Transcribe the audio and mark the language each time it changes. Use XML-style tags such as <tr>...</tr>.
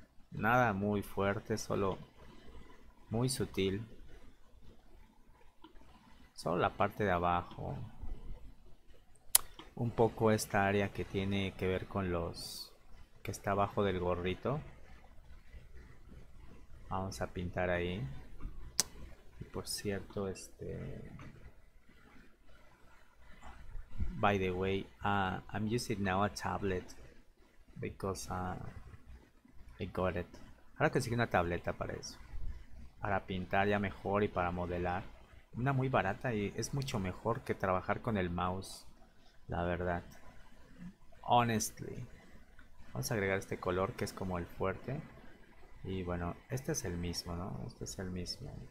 <es>Nada muy fuerte, solo muy sutil. Solo la parte de abajo. Un poco esta área que tiene que ver con los que está abajo del gorrito. Vamos a pintar ahí. Y por cierto,</es> <en>by the way, I'm using now a tablet because I got it.</en> <es>Ahora conseguí una tableta para eso. Para pintar ya mejor y para modelar. Una muy barata y es mucho mejor que trabajar con el mouse, la verdad.</es> <en>Honestly.</en> <es>Vamos a agregar este color que es como el fuerte. Y bueno, este es el mismo, ¿no? Este es el mismo.</es>